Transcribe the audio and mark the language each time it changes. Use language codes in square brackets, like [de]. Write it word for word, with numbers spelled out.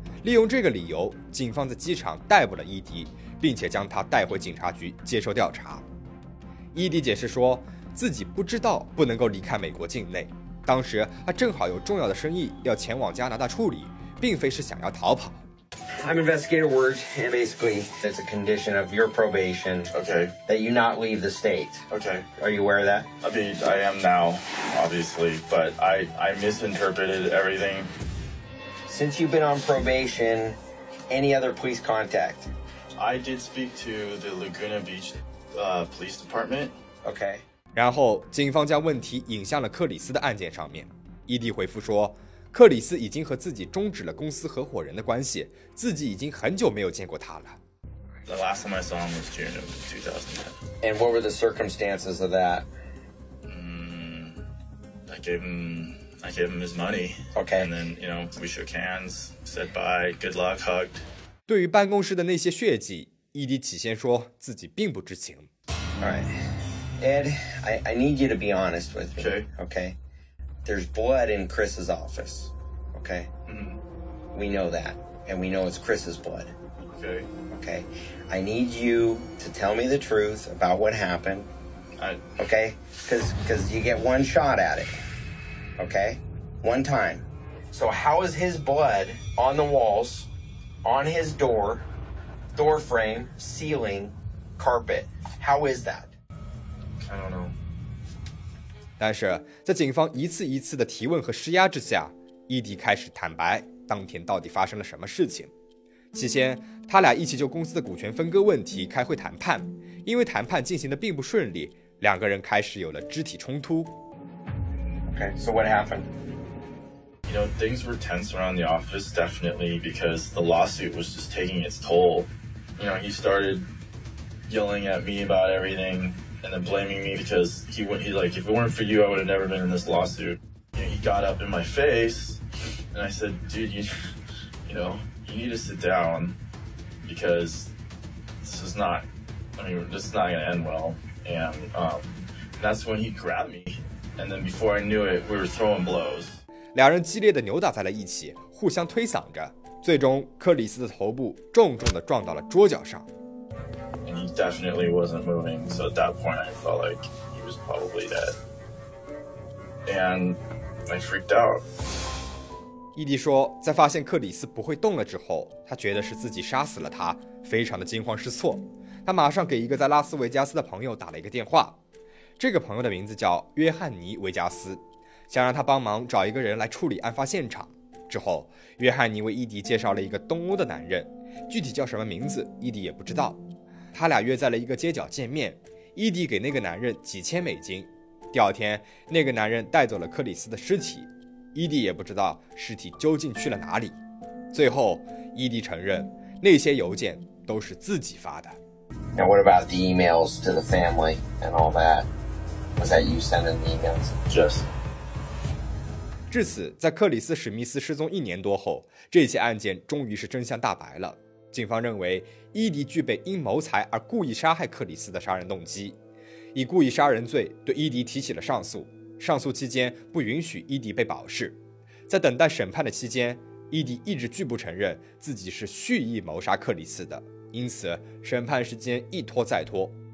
[zh] 利用这个理由，警方在机场逮捕了伊迪，并且将他带回警察局接受调查。伊迪解释说，自己不知道不能够离开美国境内，当时他正好有重要的生意要前往加拿大处理，并非是想要逃跑。 [en] I'm investigator Word, and basically it's a condition of your probation, okay, that you not leave the state. Okay. Are you aware of that? I mean, I am now, obviously, but I I misinterpreted everything. Since you've been on probation, any other police contact? I did speak to the Laguna Beach uh, Police Department. Okay. [zh] 然后警方将问题引向了克里斯的案件上面。伊迪回复说，克里斯已经和自己终止了公司合伙人的关系，自己已经很久没有见过他了。 [en] The last time I saw him was June of two thousand ten. And what were the circumstances of that? Mm, I gave him, I gave him his money. Okay. And then, you know, we shook hands, said bye, good luck, hugged. [zh] 对于办公室的那些血迹，伊迪起先说自己并不知情。 [en] All right, Ed, I, I need you to be honest with me. Okay. Okay. There's blood in Chris's office, okay? Mm-hmm. We know that, and we know it's Chris's blood. Okay. Okay. I need you to tell me the truth about what happened, I... okay? Because because you get one shot at it, okay? One time. So how is his blood on the walls, on his door, door frame, ceiling, carpet? How is that? I don't know. [zh] 但是在警方一次一次的提问和施压之下，伊迪开始坦白当天到底发生了什么事情。期间，他俩一起就公司的股权分割问题开会谈判，因为谈判进行的并不顺利，两个人开始有了肢体冲突。 Okay, so what happened? You know, things were tense around the office, definitely, because the lawsuit was just taking its toll. You know, he started yelling at me about everything and then blaming me because he would, he like, if it weren't for you, I would have never been in this lawsuit. You know, he got up in my face and I said, dude, you, you know, you need to sit down because this is not, I mean, this is not going to end well. And um, that's when he grabbed me. And then before I knew it, we were throwing blows. 两人激烈的扭打在了一起，互相推搡着，最终克里斯的头部重重地撞到了桌角上。 And he definitely wasn't moving, so at that point I felt like he was probably dead. And I freaked out. 伊迪说，在发现克里斯不会动了之后，他觉得是自己杀死了他，非常的惊慌失措。他马上给一个在拉斯维加斯的朋友打了一个电话，这个朋友的名字叫约翰尼·维加斯，想让他帮忙找一个人来处理案发现场。之后，约翰尼为伊迪介绍了一个东欧的男人，具体叫什么名字，伊迪也不知道。他俩约在了一个街角见面，伊迪给那个男人几千美金。第二天，那个男人带走了克里斯的尸体，伊迪也不知道尸体究竟去了哪里。最后，伊迪承认那些邮件都是自己发的。 [en] And what about the emails to the family and all that? Was that you sending the emails? Just. [zh] 至此，在克里斯·史密斯失踪一年多后，这起案件终于是真相大白了。警方认为，伊迪具备因谋财而故意杀害克里斯的杀人动机，以故意杀人罪对伊迪提起了上诉。上诉期间不允许伊迪被保释，在等待审判的期间，伊迪一直拒不承认自己是蓄意谋杀克里斯的，因此审判时间一拖再拖。